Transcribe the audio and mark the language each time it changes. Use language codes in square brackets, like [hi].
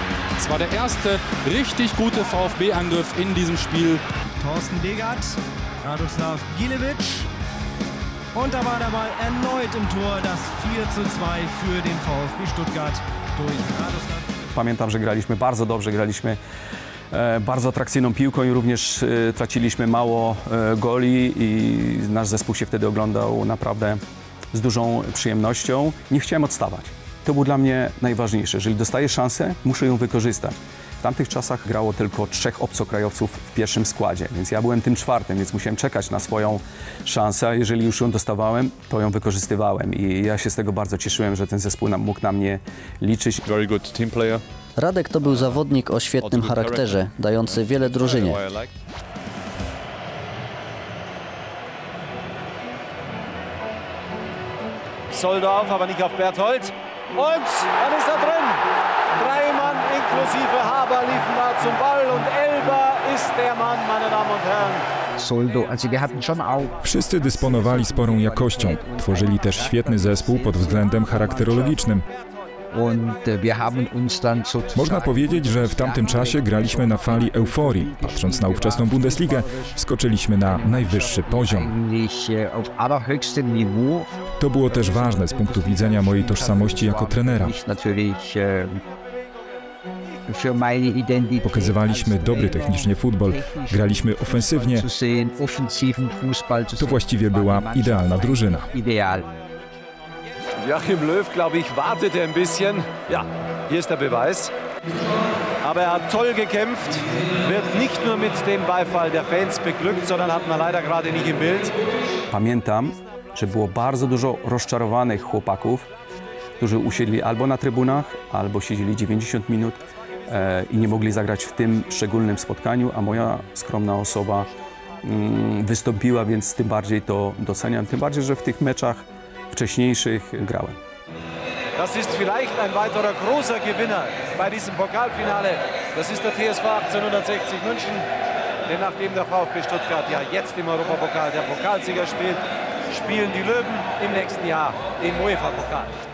[de] Das war der erste richtig gute VfB-Angriff in diesem Spiel. Thorsten Degert, Radoslav Gilevic. Und da war der Ball erneut im Tor, das 4:2 für den VfB Stuttgart durch Radoslav. [pl] Pamiętam, że graliśmy bardzo dobrze, graliśmy bardzo atrakcyjną piłką i również traciliśmy mało goli i nasz zespół się wtedy oglądał naprawdę z dużą przyjemnością. Nie chciałem odstawać. To było dla mnie najważniejsze. Jeżeli dostaję szansę, muszę ją wykorzystać. W tamtych czasach grało tylko 3 obcokrajowców w pierwszym składzie, więc ja byłem tym 4., więc musiałem czekać na swoją szansę. Jeżeli już ją dostawałem, to ją wykorzystywałem i ja się z tego bardzo cieszyłem, że ten zespół mógł na mnie liczyć. [en] Very good team player. [pl] Radek to był zawodnik o świetnym charakterze, dający wiele drużynie. [de] Soldorf, aber nicht auf Berthold. Und dann ist er drin. Drei Mann inklusive Haber liefen da zum Ball und Elber ist der Mann, meine Damen und Herren. [pl] Wszyscy dysponowali sporą jakością. Tworzyli też świetny zespół pod względem charakterologicznym. Można powiedzieć, że w tamtym czasie graliśmy na fali euforii. Patrząc na ówczesną Bundesligę, wskoczyliśmy na najwyższy poziom. To było też ważne z punktu widzenia mojej tożsamości jako trenera. Pokazywaliśmy dobry technicznie futbol, graliśmy ofensywnie. To właściwie była idealna drużyna. [de] Joachim Löw, glaube ich, wartete ein bisschen. Ja, hier ist der Beweis. Aber er hat toll gekämpft, wird nicht nur mit dem Beifall der Fans beglückt, sondern hat man leider gerade nicht im Bild. [pl] Pamiętam, że było bardzo dużo rozczarowanych chłopaków, którzy usiedli albo na trybunach, albo siedzieli 90 minut i nie mogli zagrać w tym szczególnym spotkaniu, a moja skromna osoba wystąpiła, więc tym bardziej to doceniam. Tym bardziej, że w tych meczach wcześniejszych grałem. [de] Das ist vielleicht ein weiterer großer Gewinner bei diesem Pokalfinale. Das ist der TSV 1860 München. Denn nachdem der VfB Stuttgart ja jetzt im Europapokal der Pokalsieger spielt, spielen die Löwen im nächsten Jahr im UEFA-Pokal.